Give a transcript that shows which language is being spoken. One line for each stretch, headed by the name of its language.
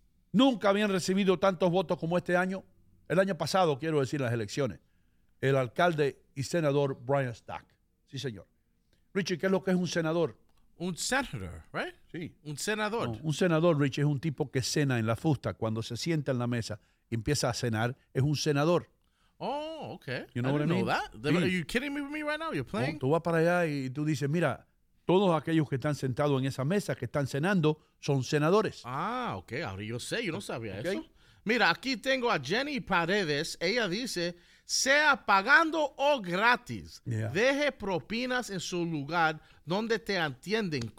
Spanish: Nunca habían recibido tantos votos como este año. El año pasado, quiero decir, en las elecciones. El alcalde y senador Brian Stack. Sí, señor. Richie, ¿qué es lo que es un senador? Un senador, ¿right? Sí. Un senador. No, un senador, Richie, es un tipo que cena en la fusta. Cuando se sienta en la mesa y empieza a cenar, es un senador.
English: Oh, okay. You know what I mean? I didn't know that. Are you kidding me with me right now? You're playing?
Spanish: Tú vas para allá y tú dices, mira, todos aquellos que están sentados en esa mesa, que están cenando, son senadores. Ah, okay. Ahora yo sé, yo no sabía okay. eso. Mira, aquí tengo a Jenny Paredes. Ella dice, sea pagando o gratis, deje propinas en su lugar donde te atienden.